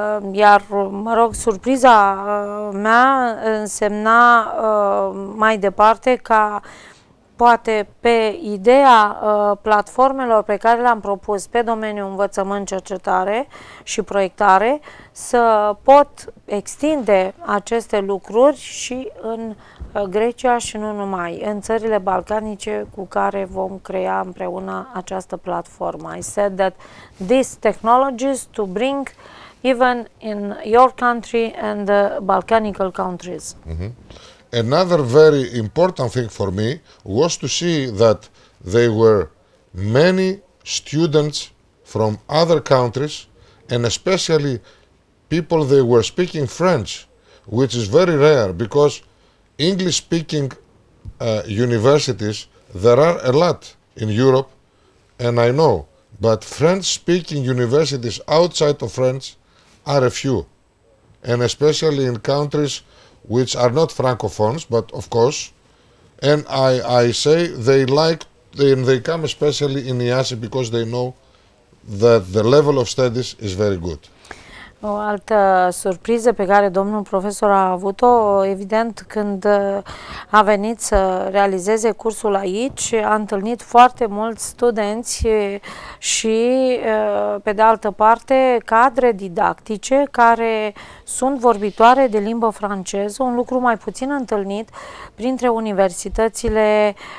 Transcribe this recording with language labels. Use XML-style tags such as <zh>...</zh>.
<ro>Iar, mă rog, surpriza mea însemna mai departe ca poate pe ideea platformelor pe care le-am propus pe domeniul învățământ, cercetare și proiectare să pot extinde aceste lucruri și în Grecia și nu numai, în țările balcanice cu care vom crea împreună această platformă.</ro> <en>I said that these technologies to bring even in your country and the Balkanic countries. Mm-hmm. Another very important thing for me was to see that there were many students from other countries, and especially people they were speaking French, which is very rare, because English-speaking universities, there are a lot in Europe, and I know, but French-speaking universities outside of France are a few, and especially in countries which are not francophones, but of course, and I say they like, and they come especially in IASI because they know that the level of studies is very good.</en> <ro>O altă surpriză pe care domnul profesor a avut-o, evident, când a venit să realizeze cursul aici, a întâlnit foarte mulți studenți și, pe de altă parte, cadre didactice care sunt vorbitoare de limbă franceză, un lucru mai puțin întâlnit printre universitățile</ro>